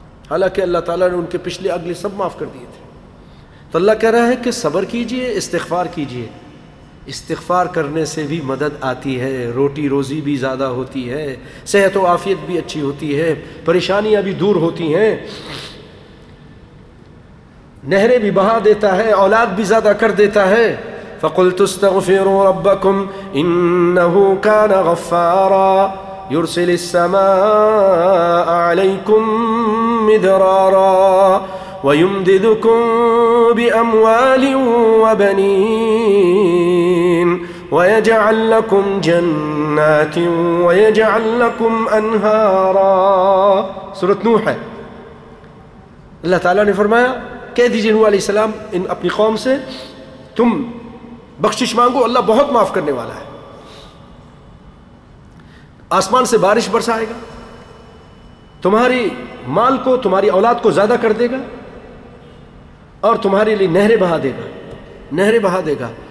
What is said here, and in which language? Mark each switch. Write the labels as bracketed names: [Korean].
[Urdu] حالانکہ اللہ تعالیٰ نے ان کے پچھلے اگلے سب معاف کر دیے تھے۔ تو اللہ کہہ رہا ہے کہ صبر کیجئے، استغفار کیجئے، استغفار کرنے سے بھی مدد آتی ہے، روٹی روزی بھی زیادہ ہوتی ہے، صحت و عافیت بھی اچھی ہوتی ہے، پریشانیاں بھی دور ہوتی ہیں، نہریں بھی بہا دیتا ہے، اولاد بھی زیادہ کر دیتا ہے۔ [Arabic] فَقُلْتُ اسْتَغْفِرُوا رَبَّكُمْ إِنَّهُ كَانَ غَفَّارًا، يرسل السماء عليكم مدرارا ويمددكم بأموال وبنين ويجعل لكم جنات ويجعل لكم أنهارا. [Urdu] سورة نوح ہے, اللہ تعالیٰ نے فرمایا کہہ دیجئے نوح علیہ السلام ان اپنی قوم سے تم بخشش مانگو, اللہ بہت معاف کرنے والا ہے, آسمان سے بارش برسائے گا, تمہاری مال کو تمہاری اولاد کو زیادہ کر دے گا اور تمہارے لیے نہریں بہا دے گا, نہریں بہا دے گا.